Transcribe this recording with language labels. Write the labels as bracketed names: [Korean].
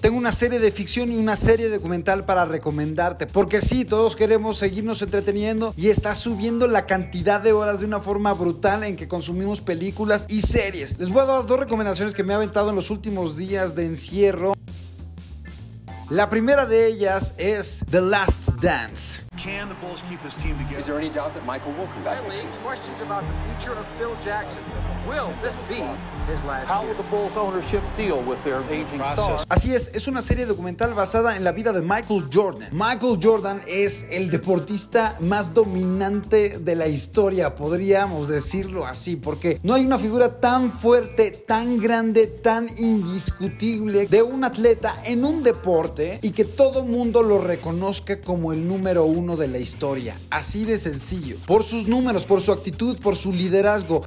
[Spanish] Tengo una serie de ficción y una serie documental para recomendarte, porque sí, todos queremos seguirnos entreteniendo y está subiendo la cantidad de horas de una forma brutal en que consumimos películas y series. Les voy a dar dos recomendaciones que me he aventado en los últimos días de encierro. La primera de ellas es The Last Dance. [English] Can the Bulls keep this team together? Is there any doubt that Michael will come back? Questions about the future of Phil Jackson. Will this be his last year? How will the Bulls ownership deal with their aging stars? [Spanish] Así es una serie documental basada en la vida de Michael Jordan. Michael Jordan es el deportista más dominante de la historia, podríamos decirlo así, porque no hay una figura tan fuerte, tan grande, tan indiscutible de un atleta en un deporte y que todo mundo lo reconozca como el número uno de la historia, así de sencillo, por sus números, por su actitud, por su liderazgo.